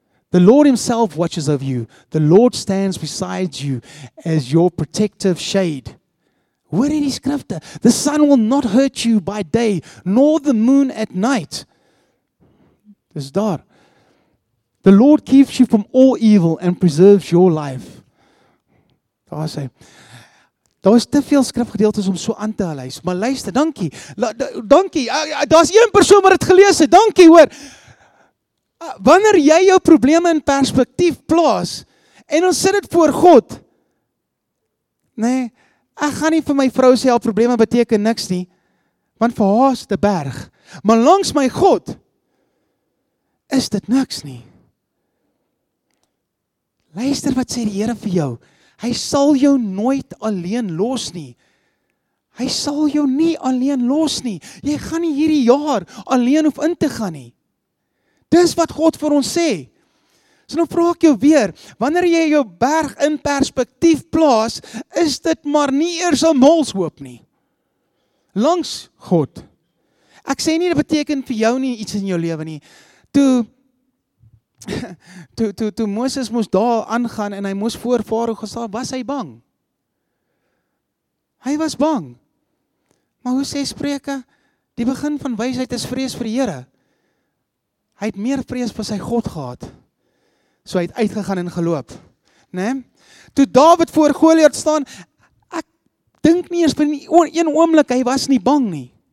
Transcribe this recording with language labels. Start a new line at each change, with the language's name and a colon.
English: The Lord himself watches over you. The Lord stands beside you as your protective shade.
Afrikaans: Hoor hierdie skrifte.
English: The sun will not hurt you by day, nor the moon at night.
Afrikaans: Dis daar.
English: The Lord keeps you from all evil and preserves your life.
Afrikaans: Daar sê. Daar is te veel skrifgedeeltes om so aan te lys. Maar luister, dankie. Dankie. Daar is een persoon wat het gelees het. Dankie, hoor. Wanneer jy jou probleme in perspektief plaas en ons sit dit voor God. Nee, ek gaan nie vir my vrou sê haar probleme beteken niks nie, want vir haar is dit 'n berg. Maar langs my God is dit niks nie. Luister wat sê die Here vir jou. Hy sal jou nooit alleen los nie. Hy sal jou nie alleen los nie. Jy gaan nie hierdie jaar alleen hoef in te gaan nie. Dis wat God vir ons sê. So nou vra ek jou weer, wanneer jy jou berg in perspektief plaas, is dit maar nie eers 'n molshoop nie. Langs God. Ek sê nie dit beteken vir jou nie iets in jou lewe nie. Toe Moses moes daar aangaan en hy moes voor Farao gestaan, was hy bang. Hy was bang. Maar hoe sê Spreuke, die begin van wysheid is vrees vir die Here. Hy het meer vrees vir sy God gehad. So hy het uitgegaan en geloop. Né? Toe Dawid voor Goliat staan, ek dink nie eens vir een oomblik, hy was nie bang nie.